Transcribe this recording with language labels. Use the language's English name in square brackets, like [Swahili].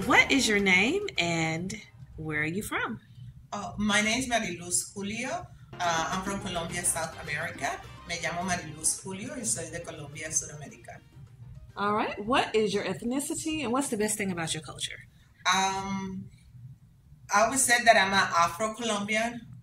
[English] is your name and where are you from? My name is Mariluz Julio. I'm from Colombia, South America. [Spanish] Me llamo Mariluz Julio y soy de Colombia, Sudamérica. [English] All right. What is your ethnicity and what's the best thing about your culture? I would say that I'm an Afro-Colombian.